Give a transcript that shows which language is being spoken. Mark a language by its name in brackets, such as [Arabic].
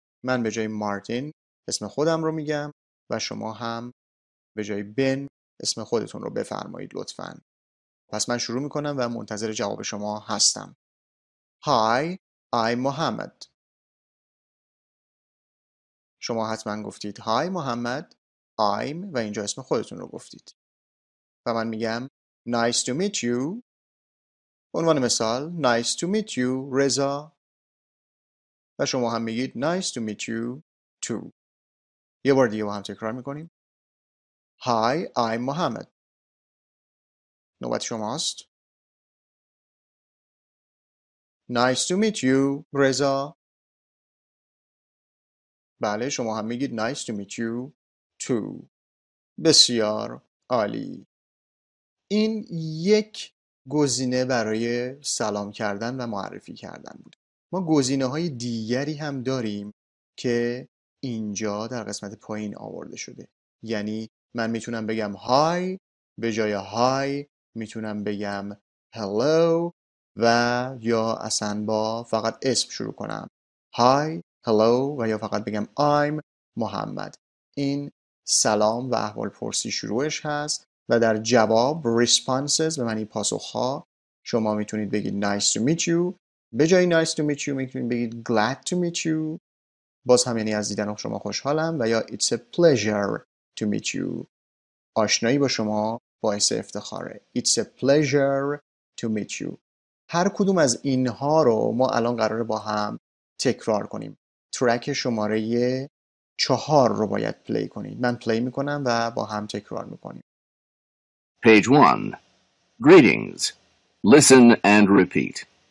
[Persian] من به جای مارتین اسم خودم رو میگم و شما هم به جای بن اسم خودتون رو بفرمایید لطفاً. پس من شروع میکنم و منتظر جواب شما هستم. [English] Hi, I'm Mohammed. [Persian] شما حتما گفتید [English] Hi, Mohammed. I'm [Persian] و اینجا اسم خودتون رو گفتید. و من میگم [English] Nice to meet you. [Persian] عنوان مثال [English] Nice to meet you, Reza. [Persian] و شما هم میگید [English] Nice to meet you too. [Persian] یه بار دیگه با هم تکرار میکنیم. [English] Hi, I'm Mohammed. [Persian] نوبت شماست. [English] Nice to meet you, Reza. [Persian] بله، شما هم میگید [English] Nice to meet you too. [Persian] بسیار عالی. این یک گزینه برای سلام کردن و معرفی کردن بود. ما گزینه‌های دیگری هم داریم که اینجا در قسمت پایین آورده شده. یعنی من میتونم بگم های به جای های، میتونم بگم هلو و یا اصلا با فقط اسم شروع کنم. های، هلو و یا فقط بگم I'm محمد. این سلام و احوالپرسی شروعش هست و در جواب responses به معنی پاسخ ها شما میتونید بگید [English] nice to meet you. [Persian] به جای [English] nice to meet you [Persian] میتونید بگید [English] glad to meet you. [Persian] باز هم یعنی از دیدن شما خوشحالم و یا [English] it's a pleasure to meet you. [Persian] آشنایی با شما باعث افتخاره. [English] It's a pleasure to meet you. [Persian] هر کدوم از اینها رو ما الان قراره با هم تکرار کنیم. ترک شماره 4 رو باید پلی کنید. من پلی میکنم و با هم تکرار میکنیم. [English] Page 1. Greetings. Listen and repeat.